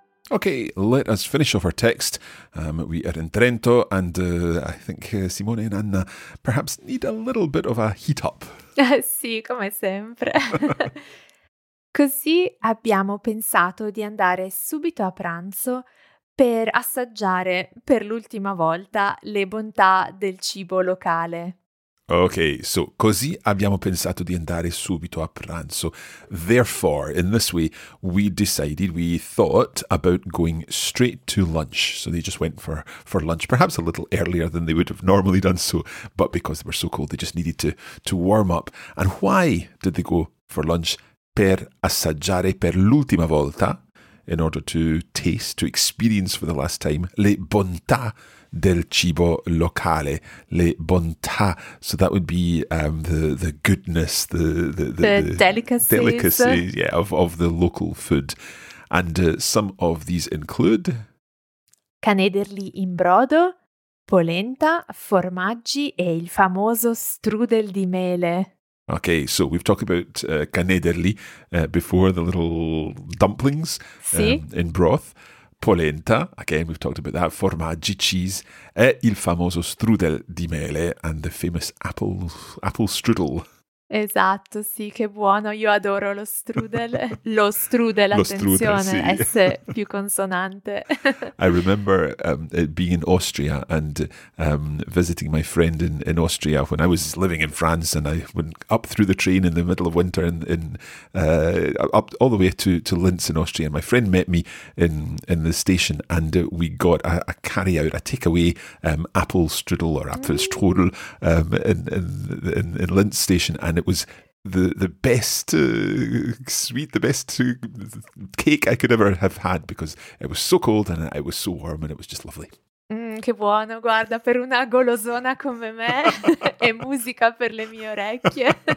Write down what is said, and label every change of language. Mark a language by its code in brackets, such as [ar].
[en] Okay, let us finish off our text. We are in Trento, and I think Simone and Anna perhaps need a little bit of a heat up. [it] Sì, come sempre. Così abbiamo pensato di andare subito a pranzo per assaggiare per l'ultima volta le bontà del cibo locale. Okay, so così abbiamo pensato di andare subito a pranzo. [en] Therefore, in this way, we thought about going straight to lunch. So they just went for lunch, perhaps a little earlier than they would have normally done so, but because they were so cold, they just needed to warm up. And why did they go for lunch? [it] Per assaggiare per l'ultima volta, [en] in order to taste, to experience for the last time, [it] le bontà del cibo locale, le bontà. [en] So that would be the goodness, the delicacies, yeah, of the local food. And some of these include [it] canederli in brodo, polenta, formaggi e il famoso strudel di mele. [en] Okay, so we've talked about canederli before, the little dumplings in broth. Polenta, again, we've talked about that. Formaggi, cheese. [it] E il famoso strudel di mele [en] and the famous apple strudel. [it] Esatto, sì, che buono. Io adoro lo strudel. Lo strudel, lo attenzione, strudel, sì. S più consonante. [en] I remember being in Austria and visiting my friend in Austria when I was living in France, and I went up through the train in the middle of winter in up all the way to Linz in Austria. And my friend met me in the station, and we got a carry out, a takeaway apple strudel or apple strudel in Linz station. And it was the best sweet, the best cake I could ever have had, because it was so cold and it was so warm and it was just lovely. [it] Che buono, guarda, per una golosona come me è musica per le mie orecchie.